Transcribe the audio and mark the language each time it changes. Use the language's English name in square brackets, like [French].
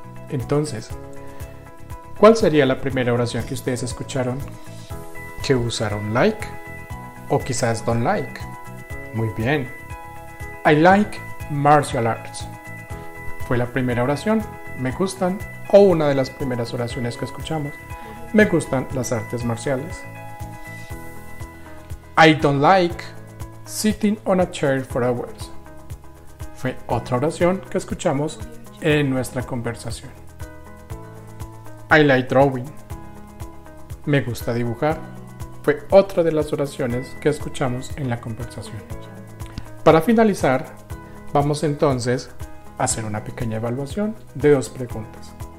[Spanish] Entonces, ¿cuál sería la primera oración que ustedes escucharon que usaron like? O quizás [English] don't like. [Spanish] Muy bien. [English] I like martial arts. [Spanish] Fue la primera oración. me gustan, o una de las primeras oraciones que escuchamos, me gustan las artes marciales. [English] I don't like sitting on a chair for hours. [Spanish] Fue otra oración que escuchamos en nuestra conversación. [English] I like drawing. [Spanish] Me gusta dibujar. Fue otra de las oraciones que escuchamos en la conversación. Para finalizar, vamos entonces a hacer una pequeña evaluación de dos preguntas.